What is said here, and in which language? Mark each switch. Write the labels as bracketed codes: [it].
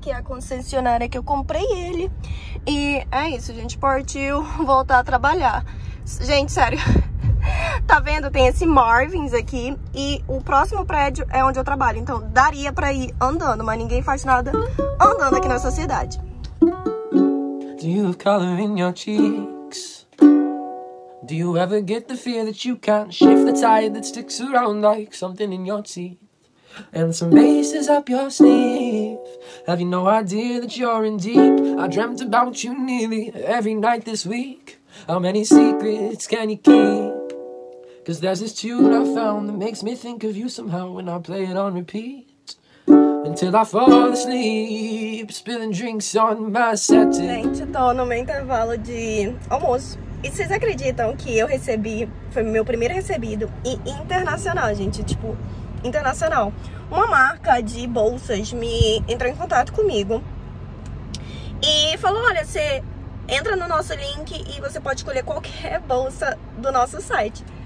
[pt] Aqui é a concessionária que eu comprei ele. E é isso, a gente partiu voltar a trabalhar. Gente, sério. Tá vendo? Tem esse Marvins aqui. E o próximo prédio é onde eu trabalho. Então daria pra ir andando. Mas ninguém faz nada andando aqui nessa cidade. [en] Do you have color in your cheeks? Do you ever get the fear that you can't shift the tide that sticks around like something in your teeth? And some aces up your sleeve. Have you no idea that you're in deep? I dreamt about you nearly every night this week. How many secrets can you keep? 'Cause there's this tune I found that makes me think of you somehow when I play it on repeat. Until I fall asleep, spilling drinks on my settee. [pt] Gente, tô no meu intervalo de almoço. E vocês acreditam que eu recebi, foi meu primeiro recebido, e internacional, gente, tipo, internacional. Uma marca de bolsas me entrou em contato comigo e falou, olha, você entra no nosso link e você pode escolher qualquer bolsa do nosso site.